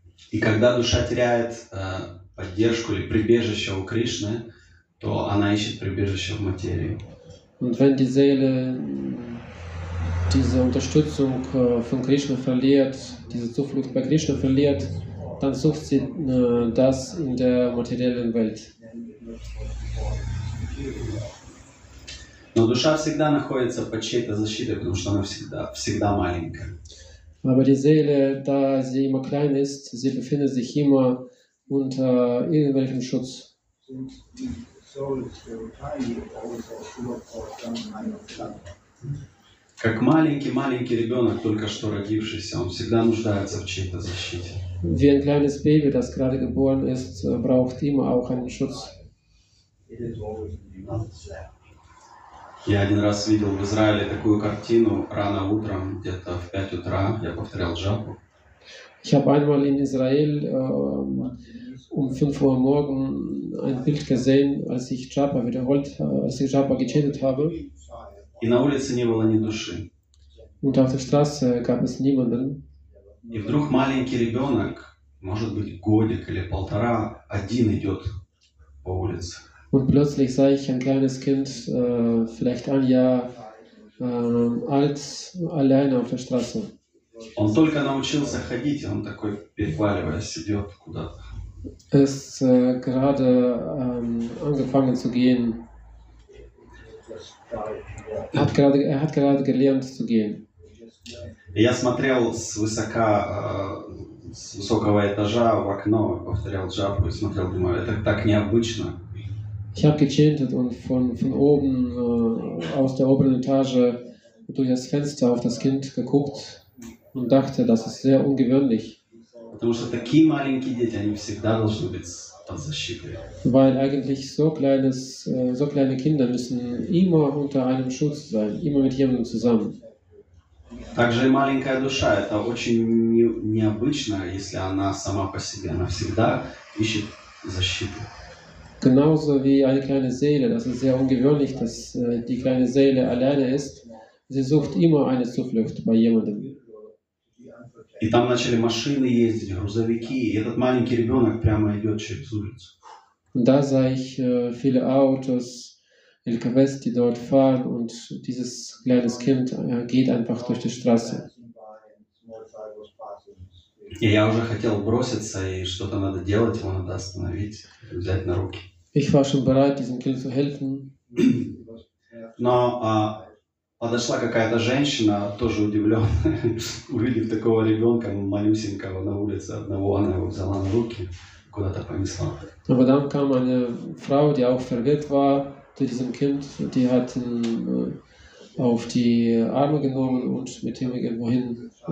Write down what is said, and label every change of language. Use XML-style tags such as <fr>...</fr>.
<ru>И когда душа теряет поддержку или прибежище у Кришны, то она ищет прибежище в материи.</ru> <de>Und wenn die Seele diese Unterstützung von Krishna verliert, diese Zuflucht bei Krishna verliert, dann sucht sie das in der materiellen Welt.</de> <ru>Но душа всегда находится под чьей-то защитой, потому что она всегда маленькая.</ru> <de>Aber die Seele, da sie immer klein ist, sie befindet sich immer unter irgendwelchem Schutz.</de> <ru>Как маленький-маленький ребенок, только что родившийся, он всегда нуждается в чьей-то защите.</ru> <de>Wie ein kleines Baby, das gerade geboren ist, braucht immer auch einen Schutz.</de> <ru>Я один раз видел в Израиле такую картину рано утром, где-то в 5 утра, я повторял джапу.</ru> <de>Ich habe einmal in Israel um 5 Uhr morgen ein Bild gesehen, als ich Japa wiederholt, als ich Japa gechattet habe.</de> <ru>И на улице не было ни души.</ru> <de>Und auf der Straße gab es niemanden.</de> <ru>И вдруг маленький ребенок, может быть, годик или полтора, один идет по улице.</ru> <de>Und plötzlich sah ich ein kleines Kind, vielleicht ein Jahr alt, alleine auf der Straße.</de> <ru>Он только научился ходить, он такой переваливаясь идет куда-то.</ru> <de>Ist gerade angefangen zu gehen. Hat gerade gelernt zu gehen.</de> <ru>Я смотрел с высокого этажа в окно, повторял джапу и смотрел, думаю, это так необычно.</ru> <de>Ich habe gechantet und von oben aus der oberen Etage durch das Fenster auf das Kind geguckt und dachte, das ist sehr ungewöhnlich.</de> <ru>Потому что такие маленькие дети, они всегда должны быть под защитой.</ru> <de>Weil eigentlich so kleine Kinder müssen immer unter einem Schutz sein, immer mit jemandem zusammen.</de> <ru>Также и маленькая душа, это очень необычно, если она сама по себе, она всегда ищет защиту.</ru> <de>Genauso wie eine kleine Seele, das ist sehr ungewöhnlich, dass die kleine Seele alleine ist, sie sucht immer eine Zuflucht bei jemandem.</de> <ru>И там начали машины ездить, грузовики, и этот маленький ребенок прямо идет через улицу.</ru> <de>Und da sah ich viele Autos, LKWs, die dort fahren, und dieses kleine Kind geht einfach durch die Straße.</de> <ru>Я уже хотел броситься и что-то надо делать, его надо остановить, взять на руки.</ru> <de>Ich war schon bereit, diesem Kind zu helfen.</de> <ru>Но подошла какая-то женщина, тоже удивленная, увидев такого ребенка малюсенького на улице одного, она его взяла на руки, куда-то понесла.</ru> <de>Aber dann kam eine Frau, die auch verwirrt war zu diesem Kind, die hat ihn auf die Arme genommen und mit ihm irgendwohin.</de>